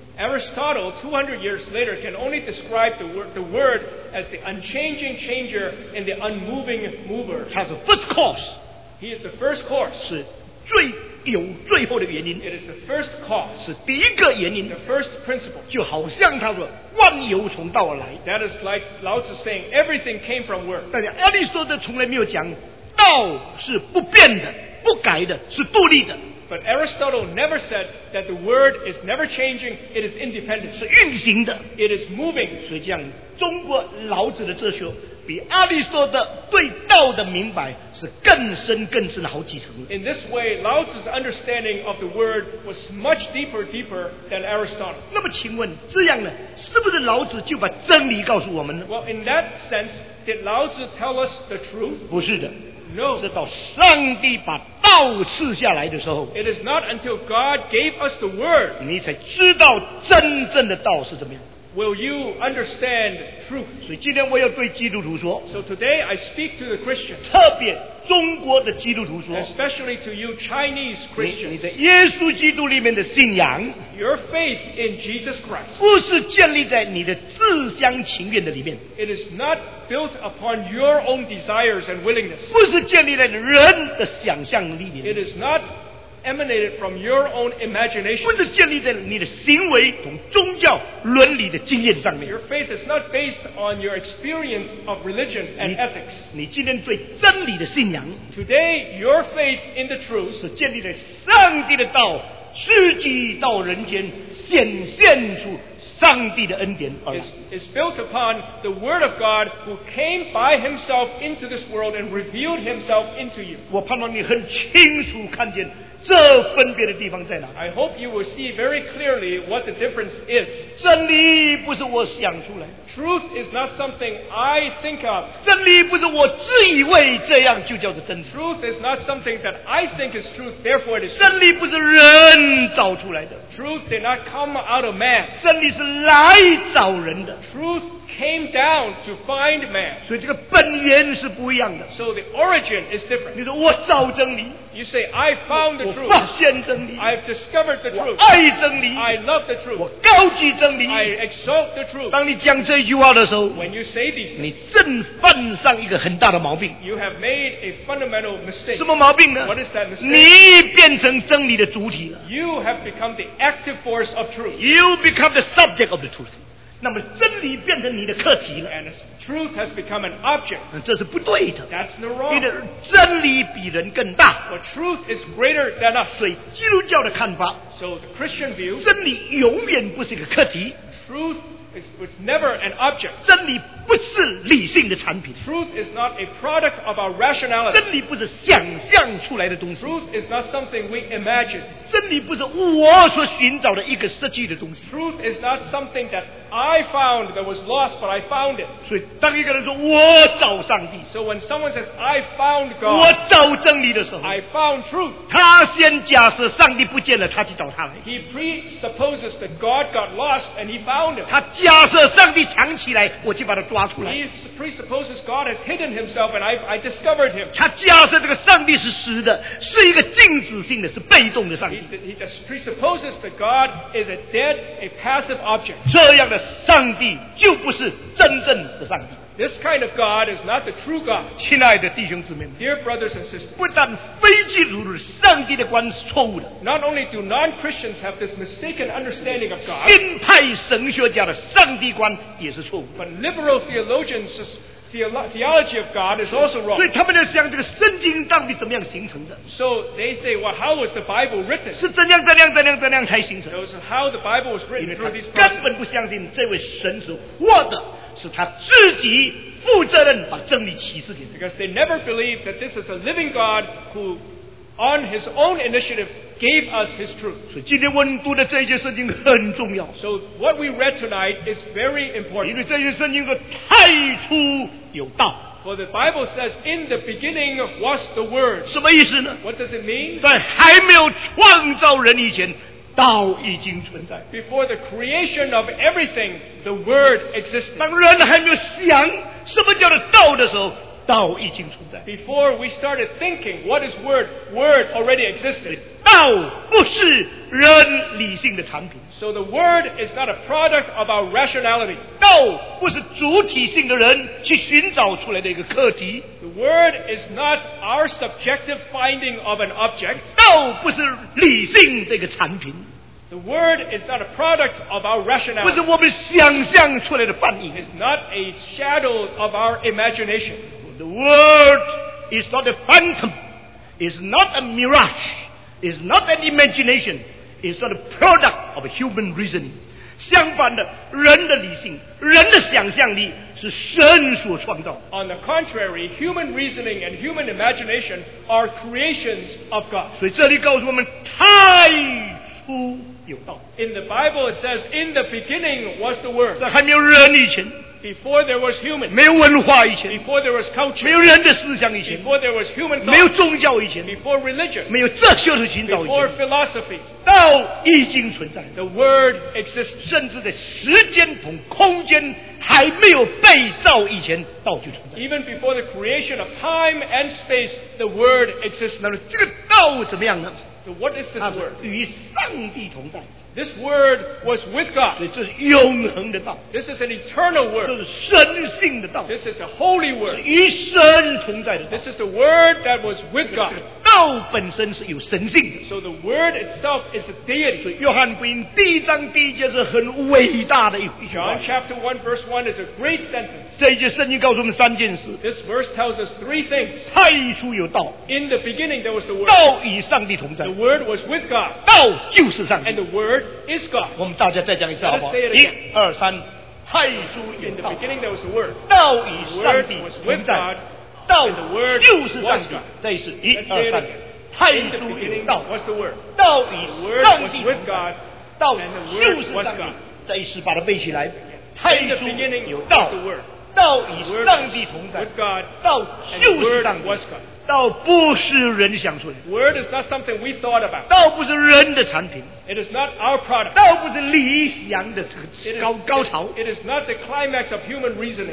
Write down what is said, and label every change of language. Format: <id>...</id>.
<en>Aristotle, 200 years later, can only describe the word as the unchanging changer and the unmoving mover.</en> <zh>他是</zh> <en>first cause. He is the first cause.</en> <zh>是最有最后的原因。</zh> <en>It is the first cause.</en> <zh>是第一个原因。</zh> <en>The first principle.</en> <zh>就好像他说万有从道而来。</zh> <en>That is like Lao Tzu saying, everything came from work.</en> <zh>但是阿里斯多德从来没有讲道是不变的。不改的是独立的</zh> <en>But Aristotle never said that the word is never changing, it is independent.</en> <zh>是运行的</zh> <en>It is moving.</en> <zh>所以这样中国老子的哲学比阿里斯多德对道的明白是更深更深好几层</zh> <en>In this way, Lao Tzu's understanding of the word was much deeper than Aristotle.</en> <zh>那么请问这样呢是不是老子就把真理告诉我们呢</zh> <en>Well, in that sense, did Lao Tzu tell us the truth?</en> <zh>不是的</zh> <en>No.</en> <zh>直到上帝把道赐下来的时候</zh> <en>It is not until God gave us the word</en> <zh>你才知道真正的道是怎么样</zh> <en>Will you understand truth?</en> <zh>所以今天我要对基督徒说</zh> <en>So today I speak to the Christians</en> <zh>特别中国的基督徒说</zh> <en>Especially to you Chinese Christians</en> <zh>你在耶稣基督里面的信仰</zh> <en>Your faith in Jesus Christ</en> <zh>不是建立在你的自相情愿的里面</zh> <en>It is not built upon your own desires and willingness</en> <zh>不是建立在人的想象力里面</zh> <en>It is not emanated from your own imagination</en> <zh>不是建立在你的行为同宗教伦理的经验上面</zh> <en>Your faith is not based on your experience of religion and ethics</en> <zh>你今天对真理的信仰</zh> <en>Today your faith in the truth</en> <zh>是建立在上帝的道实际到人间显现出上帝的恩典而来</zh> <en>is built upon the word of God who came by himself into this world and revealed himself into you</en> <zh>我盼望你很清楚看见这分别的地方在哪</zh> <en>I hope you will see very clearly what the difference is</en> <zh>真理不是我想出来</zh> <en>Truth is not something I think of</en> <zh>真理不是我自以为这样就叫做真理</zh> <en>Truth is not something that I think is truth therefore it is</en> <zh>真理不是人找出来的</zh> <en>Truth did not come out of man</en> <zh>真理是来找人的</zh> <en>Truth came down to find man</en> <zh>所以这个本源是不一样的</zh> <en>So the origin is different</en> <zh>你说我找真理</zh> <en>You say, I found the truth.</en> <zh>我发现真理。</zh> <en>I've discovered the truth.</en> <zh>我爱真理。</zh> <en>I love the truth.</en> <zh>我高举真理。</zh> <en>I exalt the truth.</en> <zh>当你讲这句话的时候</zh> <en>When you say these things,</en> <zh>你正犯上一个很大的毛病。</zh> <en>You have made a fundamental mistake.</en> <zh>什么毛病呢</zh> <en>What is that mistake?</en> <zh>你变成真理的主体了。</zh> <en>You have become the active force of truth. You become the subject of the truth.</en> <zh>那么真理变成你的课题了。</zh> <en>And truth has become an object.</en> <zh>这是不对的。</zh> <en>That's the wrong.</en> <zh>你的真理比人更大。</zh> <en>But truth is greater than us.</en> <zh>所以基督教的看法。</zh> <en>So the Christian view.</en> <zh>真理永远不是一个课题。</zh> <en>Truth is never an object.</en> <zh>真理不是理性的产品。</zh> <en>Truth is not a product of our rationality.</en> <zh>真理不是想象出来的东西。</zh> <en>Truth is not something we imagine.</en> <zh>真理不是我所寻找的一个失去的东西。</zh> <en>Truth is not something that I found that was lost, but I found it.</en> <zh>所以当一个人说我找上帝，</zh> <en>So when someone says I found God,</en> <zh>我找真理的时候，</zh> <en>I found truth.</en> <zh>他先假设上帝不见了，他去找他来。</zh> <en>He presupposes that God got lost and he found him.</en> <zh>他假设上帝藏起来，我去把他抓出来。</zh> <en>He presupposes God has hidden himself and I discovered him.</en> <zh>他假设这个上帝是实的，是一个静止性的，是被动的上帝。</zh> <en>He presupposes that God is a dead, a passive object.</en> <zh>这样的上帝就不是真正的上帝。</zh> <en>This kind of God is not the true God.</en> <zh>亲爱的弟兄姊妹们，</zh> <en>Dear brothers and sisters,</en> <zh>不但非基督徒，上帝的观是错误的。</zh> <en>Not only do non-Christians have this mistaken understanding of God,</en> <zh>新派神学家的上帝观也是错误。</zh> <en>But liberal theologians' theology of God is also wrong.</en> <zh>所以他们在想这个圣经到底怎么样形成的。</zh> <en>So they say, well, how was the Bible written?</en> <zh>是怎样怎样怎样怎样才形成。</zh> <en>So how the Bible was written through these processes.</en> <zh>因为他根本不相信这位神是活的。是他自己负责任把真理启示给他。</zh> <en>Because they never believed that this is a living God who, on his own initiative, gave us his truth.</en> <zh>所以今天我们读的这些圣经很重要。</zh> <en>So what we read tonight is very important.</en> <zh>因为这些圣经说太初有道。</zh> <en>For the Bible says, in the beginning was the Word.</en> <zh>什么意思呢？</zh> <en>What does it mean?</en> <zh>在还没有创造人以前，道已经存在。</zh> <en>Before the creation of everything, the Word existed.</en> <zh>当人还没有想什么叫做道的时候，道已经存在。</zh> <en>Before we started thinking, what is Word? Word already existed.</en> <zh>道不是人理性的产品。</zh> <en>So the Word is not a product of our rationality.</en> <zh>道不是主体性的人去寻找出来的一个课题。</zh> <en>The Word is not our subjective finding of an object.</en> <zh>道不是理性的一个产品。</zh> <en>The Word is not a product of our rationality.</en> <zh>不是我们想象出来的反应。</zh> <en>It's not a shadow of our imagination. The Word is not a phantom. It's not a mirage. It's not an imagination. It's not a product of human reasoning.</en> <zh>相反的，人的理性，人的想象力是神所创造。</zh> <en>On the contrary, human reasoning and human imagination are creations of God.</en> <zh>所以这里告诉我们，太初有道。</zh> <en>In the Bible it says, in the beginning was the Word.</en> <zh>在还没有人以前。</zh> <en>Before there was human.</en> <zh>没有文化以前。</zh> <en>Before there was culture.</en> <zh>没有人的思想以前。</zh> <en>Before there was human thought.</en> <zh>没有宗教以前。</zh> <en>Before religion.</en> <zh>没有哲学的寻找以前。</zh> <en>Before philosophy.</en> <zh>道已经存在。</zh> <en>The Word exists.</en> <zh>甚至在时间同空间还没有被造以前，道就存在。</zh> <en>Even before the creation of time and space, the Word exists.</en> <zh>那么这个道怎么样呢？</zh> <en>So what is this word?</en> <zh>它是与上帝同在。</zh> <en>This word was with God.</en> <zh>这是永恒的道。</zh> <en>This is an eternal word.</en> <zh>这是神性的道。</zh> <en>This is a holy word.</en> <zh>是与神同在的道。</zh> <en>This is the word that was with God.</en> <zh>这个道本身是有神性的。</zh> <en>So the word itself is a deity.</en> <zh>所以约翰福音第一章第一节是很伟大的一句话。</zh> <en>John chapter 1 verse 1 is a great sentence.</en> <zh>这一节圣经告诉我们三件事。</zh> <en>This verse tells us three things.</en> <zh>太初有道。</zh> <en>In the beginning there was the word.</en> <zh>道与上帝同在。</zh> <en>The word was with God.</en> <zh>道就是上帝。</zh> <en>And the word is God.</en> <zh>我们大家再讲一次好不好？一、二、三，太初有道。</zh> <en>In the beginning there was the word.</en> <zh>道与上帝同在。道就是上帝。再一次，一、二、三，太初有道。</zh> <en>What's the word?</en> <zh>道与上帝同在。道就是上帝。再一次把它背起来。太初有道。道与上帝同在。道就是上帝。道不是人想出来的。</zh> <en>Word is not something we thought about.</en> <zh>道不是人的产品。</zh> <en>It is not our product.</en> <zh>道不是理想的这个高潮。</zh> <en>It is not the climax of human reasoning.</en>